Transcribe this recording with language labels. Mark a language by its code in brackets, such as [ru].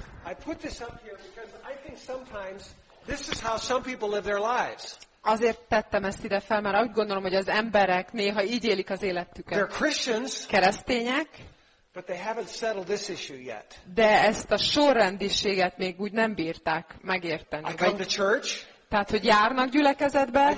[en] I put this up here because I think sometimes this is how some people live their lives. [hu] Azért tettem ezt ide fel, mert úgy gondolom, hogy az emberek néha így élik az életüket. [en] They're Christians. [hu] Keresztények. [en] But they haven't settled this issue yet. [hu] De ezt a sorrendiséget még úgy nem bírták megérteni. [en] I come to church. [hu] Tehát, hogy járnak gyülekezetbe.